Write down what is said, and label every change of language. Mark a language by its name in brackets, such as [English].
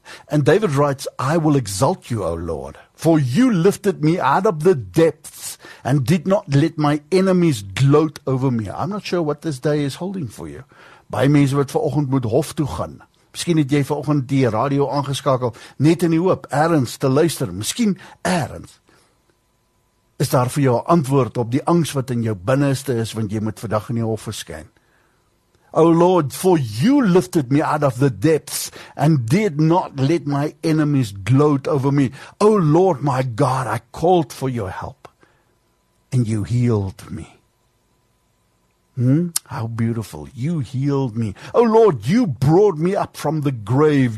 [English] And David writes, I will exalt you, O Lord, for you lifted me out of the depths and did not let my enemies gloat over me. I'm not sure what this day is holding for you. [Afrikaans] By mense wat vanoggend moet hof toe gaan. Miskien het jy vanoggend die radio aangeskakel, net in die hoop, ergens te luister, miskien ergens. Is daar vir jou antwoord op die angst wat in jou binneste is, want jy moet vandag in die hof verskyn. [English] O Lord, for you lifted me out of the depths and did not let my enemies gloat over me. O Lord, my God, I called for your help and you healed me. How beautiful. You healed me. O Lord, you brought me up from the grave.